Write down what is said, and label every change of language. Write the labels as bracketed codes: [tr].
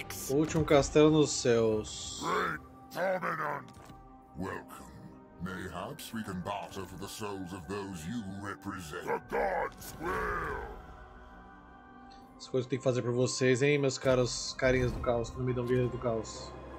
[pt] Último castelo nos céus. [en] Welcome. Mayhaps we can barter for the souls of those you represent. The gods will. [pt] As coisas que tem que fazer por vocês, hein, meus caros carinhas do caos, que não me dão guerreiros do caos.